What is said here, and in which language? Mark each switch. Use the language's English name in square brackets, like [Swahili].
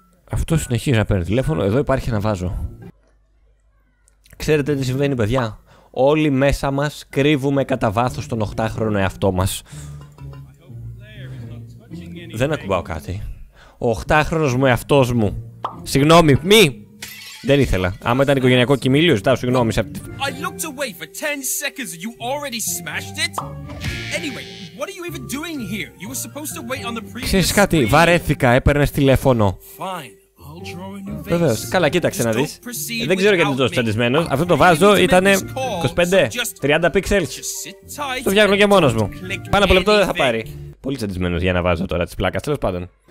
[Greek] Αυτό συνεχίζει να παίρνει τηλέφωνο, εδώ υπάρχει ένα βάζο. Ξέρετε τι συμβαίνει παιδιά? Όλοι μέσα μας κρύβουμε κατά βάθος τον 8χρονο εαυτό μας. Δεν ακουμπάω κάτι. Ο 8χρονος μου εαυτός μου. Συγγνώμη, μη! Δεν ήθελα. Άμα ήταν οικογενειακό κοιμήλιο, ζητάω συγγνώμη σε αυτή. [English] I looked away for 10 seconds and you already smashed it. Anyway, what are you even doing here? You were supposed to wait on the previous. [Greek] Ξέρεις κάτι, βαρέθηκα, έπαιρνες τηλέφωνο. Fine. Βεβαίως. Καλά, κοίταξε να δεις. Δεν ξέρω γιατί τόσο τσαντισμένο. Αυτό το βάζω ήταν 25, 30 pixels. Το φτιάχνω και μόνος μου. Πάνω από λεπτό δεν θα πάρει. Πολύ τσαντισμένος για να βάζω τώρα τις πλάκες, τέλος πάντων.